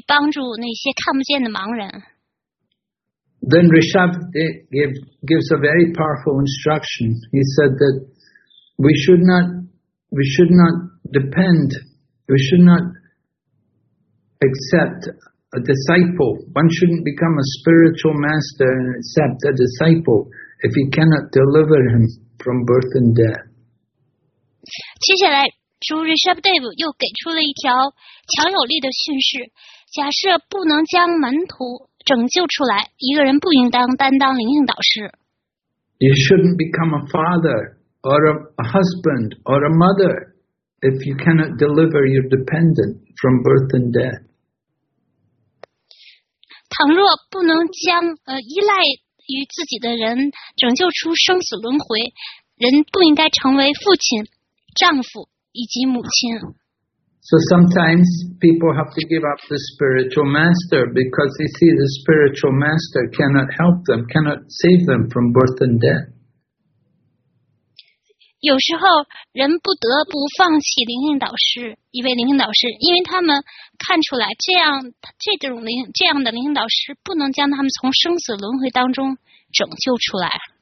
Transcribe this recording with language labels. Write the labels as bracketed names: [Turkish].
[Chinese] 视力好的人会努力地去帮助那些看不见的盲人。 [English] Then Rishabh gives a very powerful instruction. He said that we should not accept a disciple. One shouldn't become a spiritual master and accept a disciple if he cannot deliver him from birth and death. [Chinese] 接下来。主Rishabh Dev又给出了一条强有力的训示：假设不能将门徒拯救出来，一个人不应当担当灵性导师。 [English] You shouldn't become a father or a husband or a mother if you cannot deliver your dependent from birth and death. [Chinese] 倘若不能将依赖于自己的人拯救出生死轮回，人不应该成为父亲。丈夫以及母亲。 [English] So sometimes people have to give up the spiritual master because they see the spiritual master cannot help them, cannot save them from birth and death. [Chinese] 有时候人不得不放弃灵性导师，一位灵性导师，因为他们看出来这样的灵性导师不能将他们从生死轮回当中拯救出来。